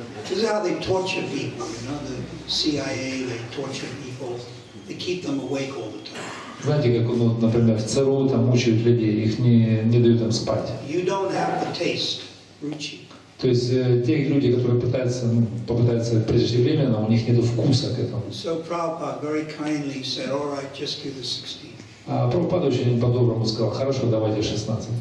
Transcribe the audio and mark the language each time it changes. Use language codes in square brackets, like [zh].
[en] This is how they torture people, you know, the CIA, they torture people. They keep them awake all the time. [ru] Знаете, как, ну, например, в ЦРУ там мучают людей, их не дают им спать. [en] You don't have the taste, Ruchi. [ru] То есть те люди, которые попытаются преждевременно, у них нет вкуса к этому. [en] So Prabhupada very kindly said, all right, just do the 16. [ru] А Прабхупада очень по-доброму сказал, хорошо, давайте 16.